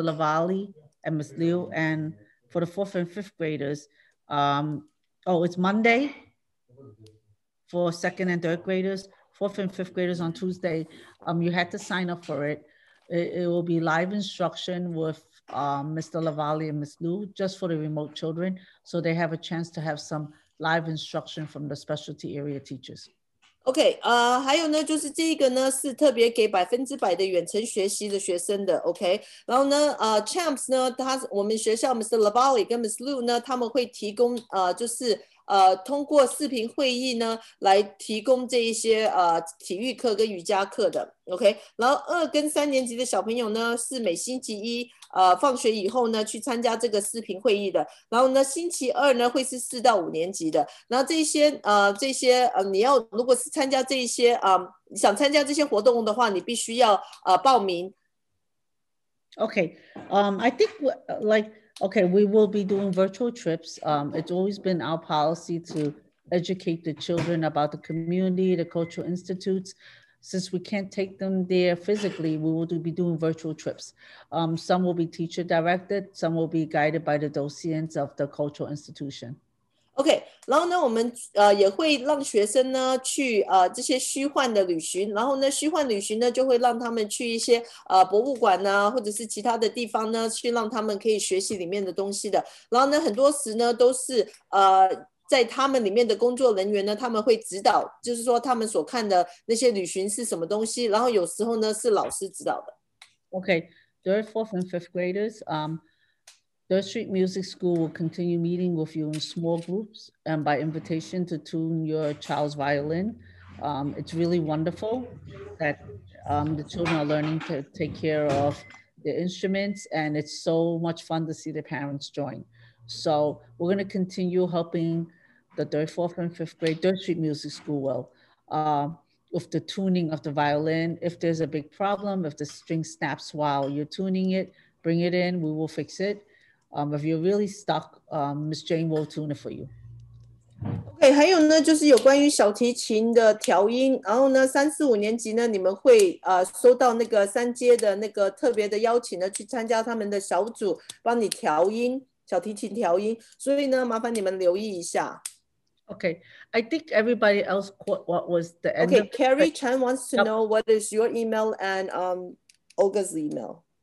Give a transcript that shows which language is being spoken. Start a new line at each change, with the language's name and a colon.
English: Lavallee and Ms. Liu. And for the fourth and fifth graders, it's Monday for second and third graders, fourth and fifth graders on Tuesday. You had to sign up for it. It will be live instruction with Mr. Lavallee and Ms. Liu, just for the remote children. So they have a chance to have some live instruction from the specialty area teachers.
Chinese: OK, 还有呢，就是这个呢是特别给百分之百的远程学习的学生的 ，OK。然后呢，Champs 呢，他我们学校 Mr. Lavallee 跟 Ms. Liu 呢，他们会提供就是通过视频会议呢来提供这一些体育课跟瑜伽课的 ，OK。然后二跟三年级的小朋友呢，是每星期一放学以后呢去参加这个视频会议的。然后呢，星期二呢会是四到五年级的。然后这些你要如果是参加这一些想参加这些活动的话，你必须要报名。
English: Okay, I think like okay, we will be doing virtual trips. It's always been our policy to educate the children about the community, the cultural institutes. Since we can't take them there physically, we will be doing virtual trips. Some will be teacher directed, some will be guided by the docents of the cultural institution.
Chinese: OK, 然后呢我们也会让学生呢去这些虚幻的旅行，然后呢虚幻旅行呢就会让他们去一些博物馆啊或者是其他的地方呢去让他们可以学习里面的东西的。然后呢很多时呢都是在他们里面的工作人员呢他们会指导，就是说他们所看的那些旅行是什么东西，然后有时候呢是老师指导的。
English: OK, third, fourth and fifth graders, Third Street Music School will continue meeting with you in small groups and by invitation to tune your child's violin. It's really wonderful that the children are learning to take care of the instruments, and it's so much fun to see the parents join. So we're going to continue helping the third, fourth, and fifth grade Third Street Music School with the tuning of the violin. If there's a big problem, if the string snaps while you're tuning it, bring it in, we will fix it. If you're really stuck, Miss Jane will tune it for you.
Chinese: Okay, 还有呢，就是有关于小提琴的调音。然后呢，三四五年级呢，你们会收到那个三阶的那个特别的邀请呢，去参加他们的小组，帮你调音小提琴调音。所以呢，麻烦你们留意一下。
English: Okay, I think everybody else caught what was the end. Okay, Carrie Chan wants to know what is your email and Olga's email.